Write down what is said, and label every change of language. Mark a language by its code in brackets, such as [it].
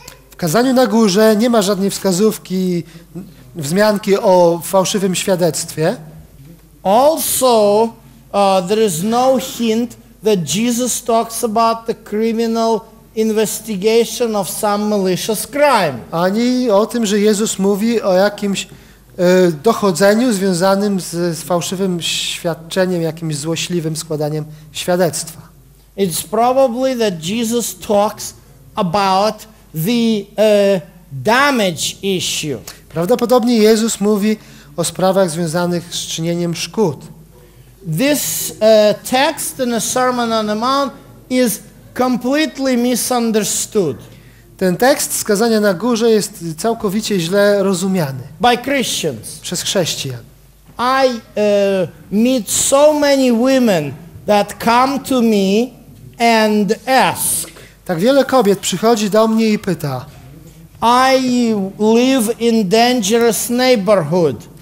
[pl] W Kazaniu na Górze nie ma żadnej wskazówki, wzmianki o fałszywym świadectwie. [en] Also, there is no hint that Jesus talks about the criminal investigation of some malicious crime. [pl] Ani o tym, że Jezus mówi o jakimś dochodzeniu związanym z fałszywym świadczeniem, jakimś złośliwym składaniem świadectwa. [en] It's probably that Jesus talks about the damage issue. [pl] Prawdopodobnie Jezus mówi o sprawach związanych z czynieniem szkód. [en] This text in the Sermon on the Mount is completely misunderstood. [pl] Ten tekst z kazania na górze jest całkowicie źle rozumiany. [en] By Christians. [pl] Przez chrześcijan. [en] I meet so many women that come to me and ask. [pl] Tak wiele kobiet przychodzi do mnie i pyta. [en] I live in dangerous neighborhood.